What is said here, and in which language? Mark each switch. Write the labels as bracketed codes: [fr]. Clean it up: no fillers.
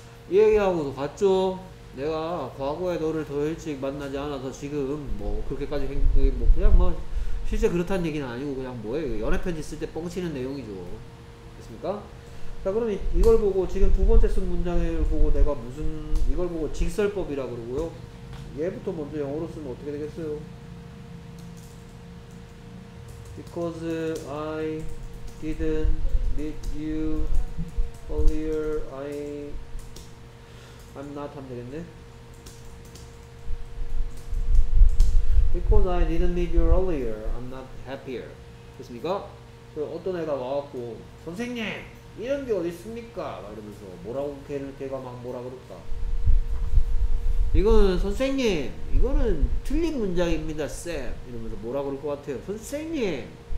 [ko] 이 얘기하고도 같죠? 내가 과거에 너를 더 일찍 만나지 않아서 지금 뭐 그렇게까지 행복해 뭐 그냥 뭐 실제 그렇다는 얘기는 아니고 그냥 뭐예요? 연애편지 쓸 때 뻥치는 내용이죠. 됐습니까? 자, 그럼 이걸 보고 지금 두 번째 쓴 문장을 보고 내가 무슨 이걸 보고 직설법이라 그러고요. 얘부터 먼저 영어로 쓰면 어떻게 되겠어요? [en] Because I didn't meet you earlier, I'm not [ko] 하면 되겠네. [en] Because I didn't meet you earlier, I'm not happier. [ko] 됐습니까? 어떤 애가 와갖고 선생님 이런 게 어디 있습니까? 막 이러면서 뭐라고 걔가 막 뭐라 그럴까? 이거는 선생님 이거는 틀린 문장입니다, 쌤. 이러면서 뭐라 그럴 것 같아요, 선생님?